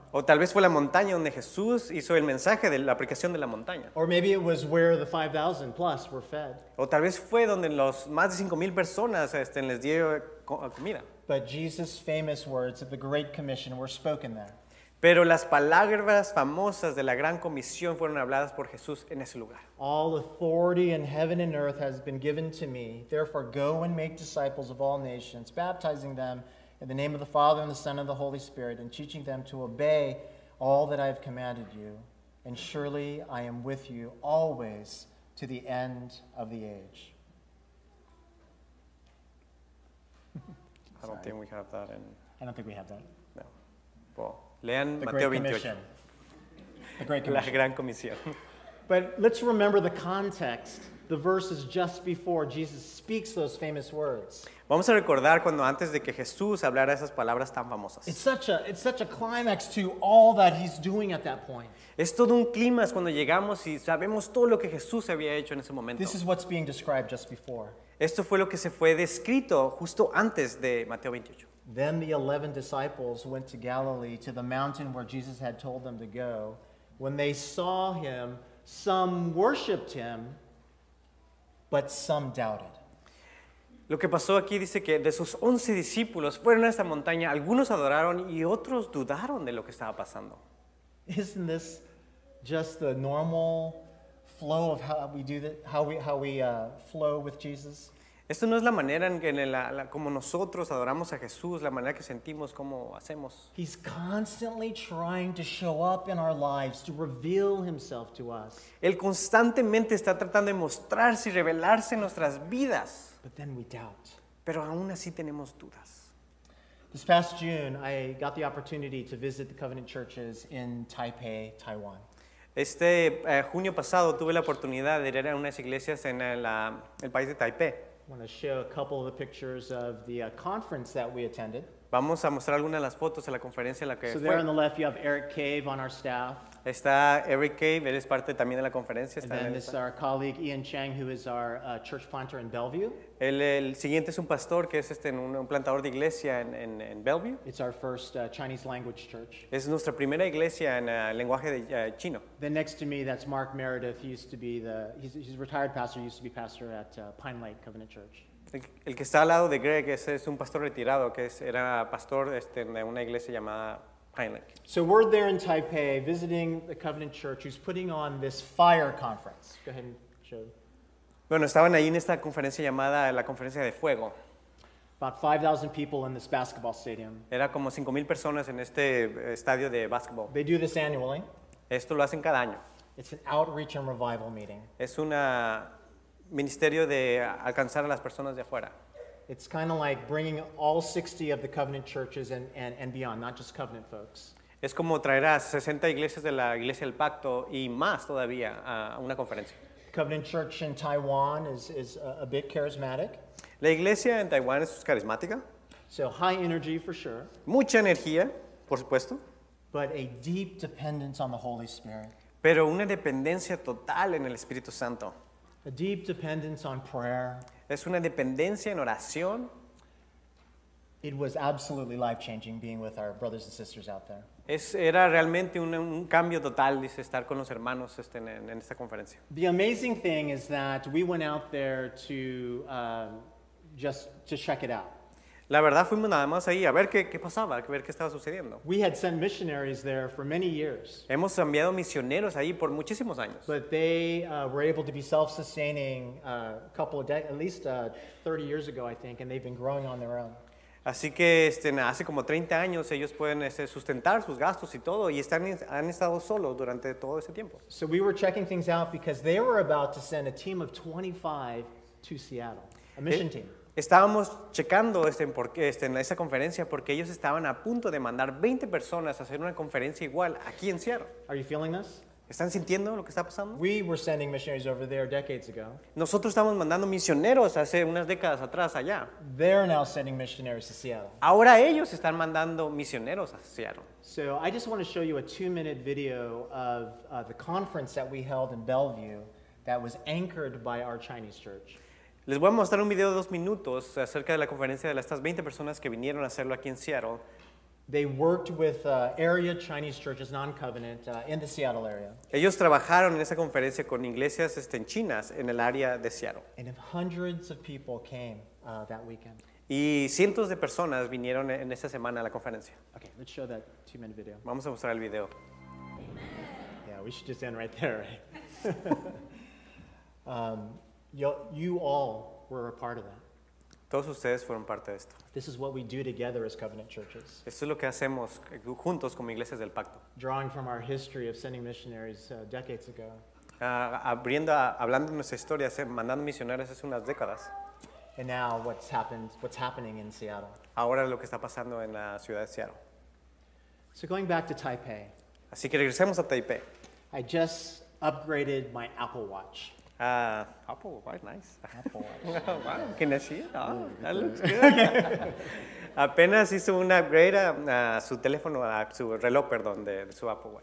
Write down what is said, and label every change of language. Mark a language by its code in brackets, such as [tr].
[es] O tal vez fue la montaña donde Jesús hizo el mensaje de la aplicación de la montaña. [en] Or maybe it was where the 5,000 plus were fed. [es] O tal vez fue donde los más de 5,000 personas les dio comida. [en] But Jesus' famous words of the Great Commission were spoken there. [es] Pero las palabras famosas de la Gran Comisión fueron habladas por Jesús en ese lugar. [en] All authority in heaven and earth has been given to me. Therefore, go and make disciples of all nations, baptizing them in the name of the Father and the Son and the Holy Spirit, and teaching them to obey all that I have commanded you. And surely I am with you always to the end of the age. I don't think we have that in... I don't think we have that. No. Well... [es] Lean Mateo 28. [en] The Great Commission. But let's remember the context, the verses just before Jesus speaks those famous words. [es] Vamos a recordar cuando antes de que Jesús hablara esas palabras tan famosas. [en] It's such a climax to all that he's doing at that point. [es] Es todo un clímax cuando llegamos y sabemos todo lo que Jesús había hecho en ese momento. [en] This is what's being described just before. [es] Esto fue lo que se fue descrito justo antes de Mateo 28. [en] Then the 11 disciples went to Galilee, to the mountain where Jesus had told them to go. When they saw him, some worshipped him, but some doubted. [es] Lo que pasó aquí dice que de sus 11 discípulos fueron a esta montaña, algunos adoraron y otros dudaron de lo que estaba pasando. [en] Isn't this just the normal flow of how we do that, how we flow with Jesus? [es] Esto no es la manera en que como nosotros adoramos a Jesús, la manera que sentimos, cómo hacemos. [en] He's constantly trying to show up in our lives, to reveal himself to us. [es] Él constantemente está tratando de mostrarse y revelarse en nuestras vidas. [en] But then we doubt. [es] Pero aún así tenemos dudas. [en] This past June, I got the opportunity to visit the Covenant Churches in Taipei, Taiwan. [es] Este junio pasado tuve la oportunidad de ir a unas iglesias en el país de Taipei. [en] I want to show a couple of the pictures of the conference that we attended. [es] Vamos a mostrar algunas de las fotos de la conferencia en la que [en] so [es] fue. [en] There on the left you have Eric Cave on our staff. [es] Está Eric Cave, él es parte también de la conferencia. [en] And then this is our colleague Ian Chang, who is our church planter in Bellevue. [es] El siguiente es un pastor que es un plantador de iglesia en Bellevue. [en] It's our first Chinese language church. [es] Es nuestra primera iglesia en lenguaje de chino. [en] Then next to me, that's Mark Meredith. He used to be he's a retired pastor. He used to be pastor at Pine Lake Covenant Church. [es] El que está al lado de Greg es un pastor retirado que era pastor de una iglesia llamada Pine Lake. [en] So we're there in Taipei visiting the Covenant Church, who's putting on this fire conference. Go ahead and show. [es] Bueno, estaban ahí en esta conferencia llamada la Conferencia de Fuego. [en] About 5,000 people in this basketball stadium. [es] Era como 5,000 personas en este estadio de basketball. [en] They do this annually. [es] Esto lo hacen cada año. [en] It's an outreach and revival meeting. [es] Es una ministerio de alcanzar a las personas de afuera. [en] It's kind of like bringing all 60 of the Covenant churches and beyond, not just Covenant folks. [es] Es como traer a 60 iglesias de la Iglesia del Pacto y más todavía a una conferencia. [en] Covenant Church in Taiwan is a bit charismatic. [es] La iglesia en Taiwán es carismática. [en] So high energy for sure. [es] Mucha energía, por supuesto. [en] But a deep dependence on the Holy Spirit. [es] Pero una dependencia total en el Espíritu Santo. [en] A deep dependence on prayer. [es] Es una dependencia en oración. [en] It was absolutely life-changing being with our brothers and sisters out there. [es] Era realmente un cambio total, dice, estar con los hermanos en esta conferencia. [en] The amazing thing is that we went out there to just to check it out. [es] La verdad, fuimos nada más ahí a ver qué pasaba, a ver qué estaba sucediendo. [en] We had sent missionaries there for many years. [es] Hemos enviado misioneros ahí por muchísimos años. [en] But they were able to be self-sustaining a couple of decades, at least 30 years ago, I think, and they've been growing on their own. [es] Así que hace como 30 años ellos pueden sustentar sus gastos y todo y han estado solos durante todo ese tiempo. [en] So we were checking things out because they were about to send a team of 25 to Seattle, a mission team. [es] Estábamos checando en esa conferencia porque ellos estaban a punto de mandar 20 personas a hacer una conferencia igual aquí en Seattle. [en] Are you feeling this? [es] ¿Están sintiendo lo que está pasando? [en] We were sending missionaries over there decades ago. [es] Nosotros estamos mandando misioneros hace unas décadas atrás allá. [en] They're now sending missionaries to Seattle. [es] Ahora ellos están mandando misioneros a Seattle. [en] So I just want to show you a 2-minute video of the conference that we held in Bellevue. that was anchored by our Chinese church. [es] Les voy a mostrar un video de dos minutos acerca de la conferencia de estas 20 personas que vinieron a hacerlo aquí en Seattle. [en] They worked with area Chinese churches, non-covenant, in the Seattle area. [es] Ellos trabajaron en esa conferencia con iglesias en chinas en el área de Seattle. [en] And hundreds of people came that weekend. [es] Y cientos de personas vinieron en esa semana a la conferencia. [en] Okay, let's show that two-minute video. [es] Vamos a mostrar el video. [en] Yeah, we should just end right there, right? you all were a part of that. [es] Todos ustedes fueron parte de esto. [en] This is what we do together as covenant churches. [es] Esto es lo que hacemos juntos como iglesias del pacto. [en] Drawing from our history of sending missionaries decades ago. [es] Hablando de nuestra historia, mandando misioneros hace unas décadas. [en] And now what's happening in Seattle. [es] Ahora lo que está pasando en la ciudad de Seattle. [en] So going back to Taipei. [es] Así que regresemos a Taipei. [en] I just upgraded my Apple Watch. Apple, quite nice. Apple Watch. Wow, can I see it? Oh, that looks good. [es] Apenas hizo un upgrade a su teléfono, a su reloj, perdón, de su Apple Watch.